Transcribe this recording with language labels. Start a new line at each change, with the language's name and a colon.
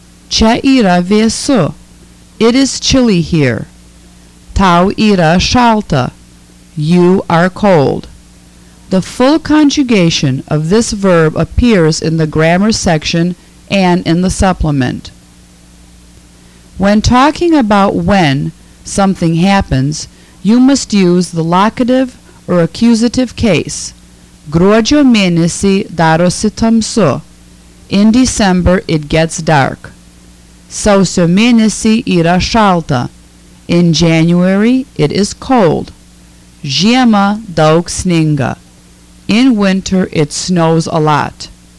Lithuanian: Čia yra vėsu,
English: it is chilly here.
Lithuanian: Tau yra šalta,
English: you are cold. The full conjugation of this verb appears in the grammar section and in the supplement. When talking about when something happens, you must use the locative or accusative case.
Lithuanian: Gruodžio mėnesį darosi tamsu.
English: In December it gets dark.
Lithuanian: Sausio mėnesį yra šalta.
English: In January it is cold.
Lithuanian: Žiemą daug sninga.
English: In winter it snows a lot.